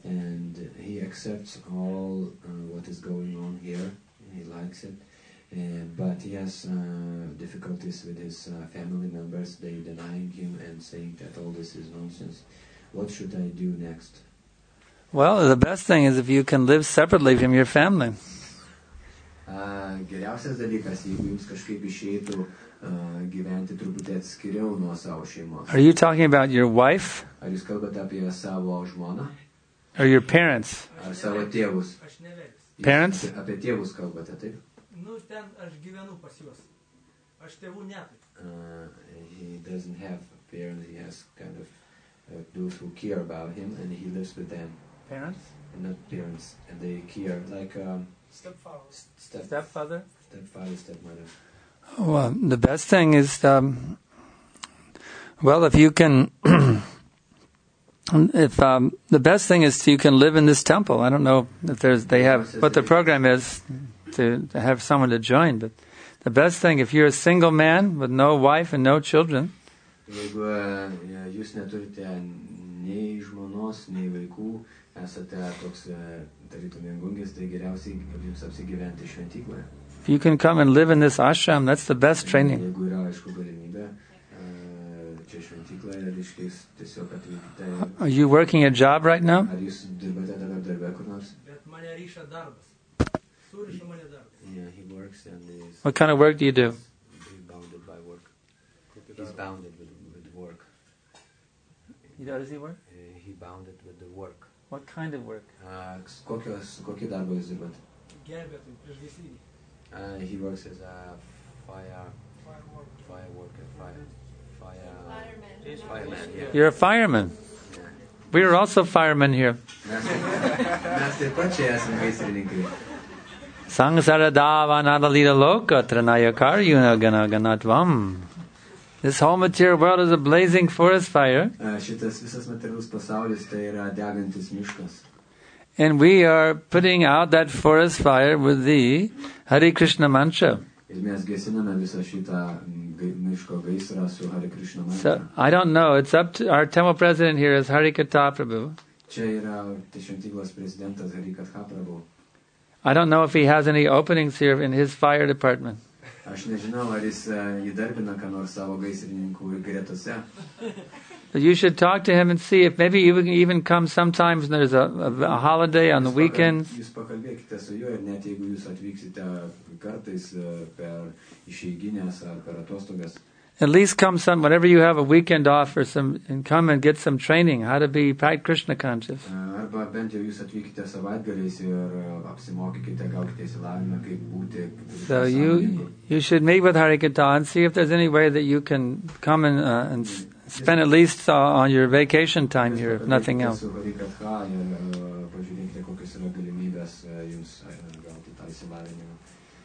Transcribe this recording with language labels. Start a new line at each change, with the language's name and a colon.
English: and he accepts all what is going on here. He likes it, but he has difficulties with his family members. They denying him and saying that all this is nonsense. What should I do next? Well, the best thing is if you can live separately from your family.
Lithuanian: Geriausias dalykas, jeigu jums kažkaip išeitų gyventi truputį atskiriau nuo savo šeimos.
English: Are you talking about your wife?
Lithuanian: Ar jūs kalbate apie savo žmoną?
English: Or your parents?
Lithuanian: Ar savo tėvus? Aš nevedęs.
English: Parents?
Lithuanian: Apie tėvus kalbate, taip? Nu, ten aš gyvenu pas juos. Aš tėvų neturiu.
English: He doesn't have parents, he has kind of those who care about him and he lives with them. Parents? And not parents. And they care like stepfather. Stepfather, stepmother. Well, the best thing is if you can the best thing is you can live in this temple. I don't know if they have what the program is to have someone to join, but the best thing if you're a single man with no wife and no children.
Lithuanian: Jeigu jūs neturite nei žmonos, nei vaikų, esate toks tarytum viengungis, tai geriausiai jums apsigyventi šventykloje.
English: If you can come and live in this ashram, that's the best training.
Lithuanian: Jeigu yra aišku galimybė, čia šventykloje, reiškiais, tiesiog atvykite.
English: Are you working a job right now?
Lithuanian: Ar jūs dirbate dabar darbę kur nors? Bet mane ryša darbas. Suriša mane darbas.
English: Yeah, he works and he's... What kind of work do you do? He's bounded by work. He's bounded. You know, does he work? He bounded with the work. What kind of work?
Lithuanian: Kokį darbą jis dirba?
English: He works as a fireman. You're a fireman. Yeah. We are also firemen here.
Lithuanian: Mes taip pat čia esame gaisrininkai.
Sanskrit: Sangsara dava nadalita loka tranayakar yuna gana ganatvam.
English: This whole material world is a blazing forest fire.
Lithuanian: Šitas visas materialus pasaulis tai yra degantis miškas.
English: And we are putting out that forest fire with the Hare Krishna mantra.
Lithuanian: Ir mes gesiname visą šitą miško gaisrą su Hare Krishna mantra.
English: So, I don't know. It's up to our temple president here is Hare Katha Prabhu.
Lithuanian: Čia yra šventyklos prezidentas Hare Katha Prabhu.
English: I don't know if he has any openings here in his fire department.
Lithuanian: Aš nežinau, ar jis įdarbina ką nors savo gaisrininkų gretose.
English: But you should talk to him and see if maybe you can even come sometimes when there's a holiday on the weekends.
Lithuanian: Jūs pakalbėkite su juo ir net jeigu jūs atvyksite kartais per išeiginės ar per atostogas.
English: At least come some whenever you have a weekend off or some and come and get some training how to be Hare Krishna conscious.
Lithuanian: Arba bent jau jūs atvykite savaitgaliais ir apsimokykite gaukite išsilavinimą kaip būti.
English: So you should meet with Hare Katha and see if there's any way that you can come and spend at least on your vacation time here if nothing else.
Lithuanian: Hare Katha ir pažiūrėkite kokios yra galimybės jums gauti tą išsilavinimą.